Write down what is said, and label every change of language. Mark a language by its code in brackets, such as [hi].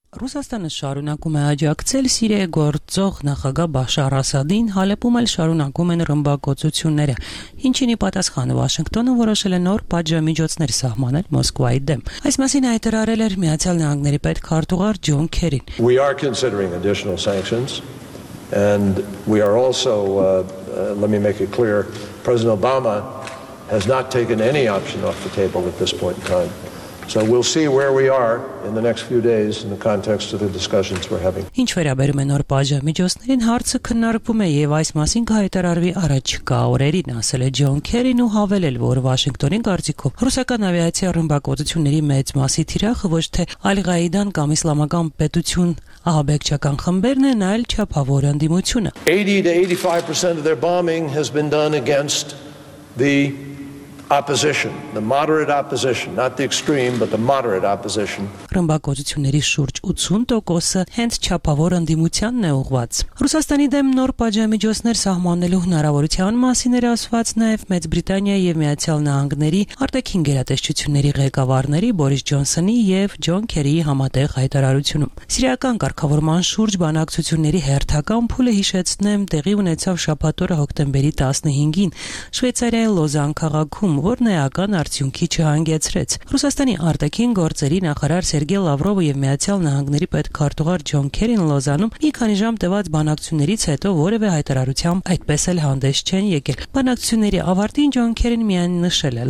[hy] Ռուսաստանը շարունակում է աջակցել Սիրիայի գործող նախագահ Բաշար Ասադին, հալեպում էլ շարունակում են ռմբակոծությունները։ Ինչինի պատասխան Վաշինգտոնը որոշել է նոր պատժամիջոցներ սահմանել Մոսկվայի դեմ։ Այս մասին հայտարարել էր Միացյալ Նահանգների պետքարտուղար Ջոն Քերին։ [en] We are considering additional sanctions and we are also let me make it clear, President Obama has not taken any option off the table at this point in time. So we'll see where we are in the next few days in the context of the discussions we're having. [hy] Ինչ վերաբերում է նոր պատժամիջոցներին, հարցը քննարկվում է եւ այս մասին կհայտարարվի առաջկա օրերին, ասել է Ջոն Քերին ու հավելել, որ Վաշինգտոնի կարծիքով ռուսական ավիացիա ռմբակոծությունների մեծ մասի թիրախը ոչ թե Ալ-Ղաիդան կամ իսլամական պետություն ահաբեկչական խմբերն են, այլ չափավոր անդիմությունը. [en] 80-85% of their bombing has been done against the opposition, the moderate opposition, not the extreme, but the moderate opposition. [hy] Ռմբակոծությունների շուրջ 80% հենց չափավոր անդիմությանն է ուղված։ Ռուսաստանի դեմ նոր պատժամիջոցներ սահմանելու հնարավորության մասին էր ասված նաև Մեծ Բրիտանիա և Միացյալ Նահանգների արտաքին գերատեսչությունների ղեկավարների Բորիս Ջոնսոնի և Ջոն Քերիի համատեղ հայտարարությունում։ Սիրիական կարգավորման շուրջ բանակցությունների հերթական փուլը, հիշեցնեմ, տեղի ունեցավ շաբաթօրը հոկտեմբերի 15-ին Շվեյցարիայի Լոզան քաղաքում, որն էական արդյունքի չհանգեցրեց։ Ռուսաստանի արտաքին գործերի նախարար Սերգեյ Լավրովը եւ Միացյալ Նահանգների պետքարտուղար Ջոն Քերին Լոզանում մի քանի ժամ տևած բանակցություններից հետո որևէ հայտարարությամբ այդպես էլ հանդես չեն եկել։ Բանակցությունների ավարտին Ջոն Քերին միայն նշել է.